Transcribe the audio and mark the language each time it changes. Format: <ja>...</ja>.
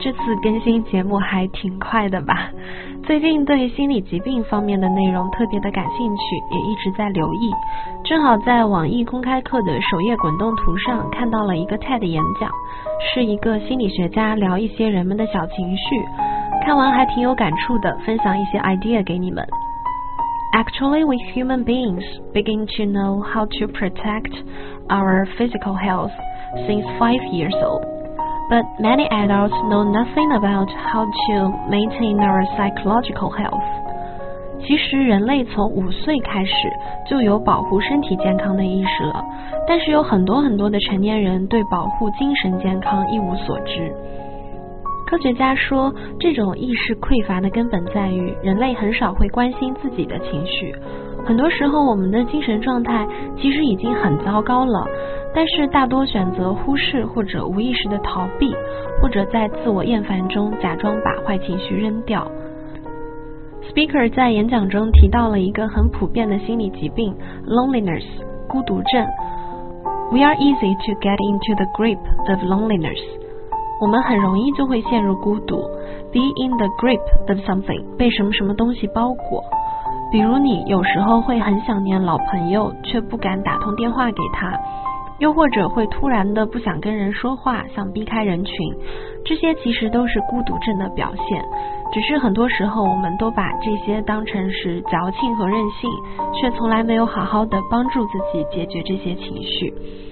<zh>这次更新节目还挺快的吧？最近对心理疾病方面的内容特别的感兴趣，也一直在留意。正好在网易公开课的首页滚动图上看到了一个 TED 演讲，是一个心理学家聊一些人们的小情绪。看完还挺有感触的，分享一些 idea 给你们。</zh> <en>Actually, we human beings begin to know how to protect our physical health since 5 years old. But many adults know nothing about how to maintain our psychological health.</en> <zh>其实人类从五岁开始就有保护身体健康的意识了，但是有很多很多的成年人对保护精神健康一无所知。科学家说，这种意识匮乏的根本在于人类很少会关心自己的情绪。很多时候我们的精神状态其实已经很糟糕了，但是大多选择忽视或者无意识的逃避，或者在自我厌烦中假装把坏情绪扔掉。 Speaker 在演讲中提到了一个很普遍的心理疾病 Loneliness 孤独症。</zh> <en>We are easy to get into the grip of lonelinessWe are easy to get into the grip of something. Be in the grip of something.</en> <zh>被什么什么东西包裹。比如你有时候会很想念老朋友，却不敢打通电话给他，又或者会突然的不想跟人说话，想避开人群。这些其实都是孤独症的表现，只是很多时候我们都把这些当成是矫情和任性，却从来没有好好的帮助自己解决这些情绪。</zh>